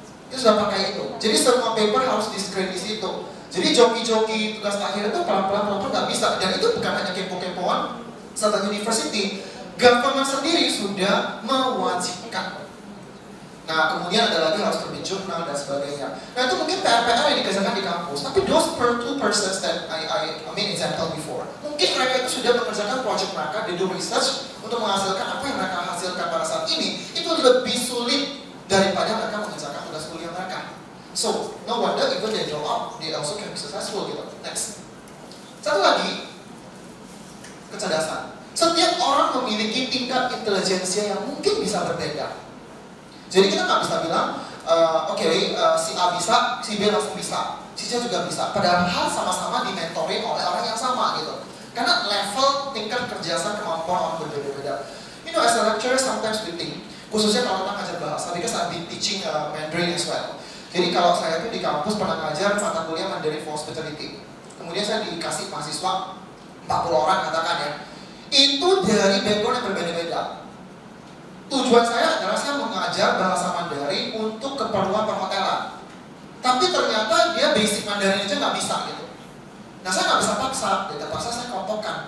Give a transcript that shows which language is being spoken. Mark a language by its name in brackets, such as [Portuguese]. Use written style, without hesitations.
[Indonesian] Itu sudah pakai itu. Jadi semua paper harus di-screen di situ. Jadi joki-joki tugas akhir itu pelan-pelan gak bisa. Dan itu bukan hanya kepo-kepoan saat university. Government sendiri sudah mewajibkan. Nah, kemudian ada lagi harus terbit jurnal dan sebagainya. Nah, itu mungkin PR-PR yang dikerjakan di kampus. Tapi [English] those per two persons that I mean example before. [Indonesian] Mungkin mereka itu sudah mengerjakan project mereka, [English] they do research [Indonesian] untuk menghasilkan apa yang mereka hasilkan pada saat ini. Itu lebih sulit daripada mereka mengerjakan tugas kuliah mereka. [English] So, no wonder even they draw up, they also can be successful [Indonesian] gitu. Next. Satu lagi, kecerdasan. Setiap orang memiliki tingkat intelijensia yang mungkin bisa berbeda. Jadi kita nggak bisa bilang, si A bisa, si B langsung bisa, si C juga bisa. Padahal sama-sama dimentorin oleh orang yang sama gitu. Karena level tingkat kerjasama kemampuan orang berbeda-beda. [English] You know, as a lecturer sometimes we think, [Indonesian] khususnya kalau kita ngajar bahasa, [English] because I've been teaching Mandarin as well. [Indonesian] Jadi kalau saya itu di kampus pernah ngajar mata kuliah Mandarin for Hospitality. Kemudian saya dikasih mahasiswa 40 orang katakan ya. Itu dari background yang berbeda-beda. Tujuan saya adalah saya mengajar bahasa Mandarin untuk keperluan perhotelan. Tapi ternyata dia basic Mandarin aja gak bisa gitu. Nah saya gak bisa paksa, ya terpaksa saya kelompokkan.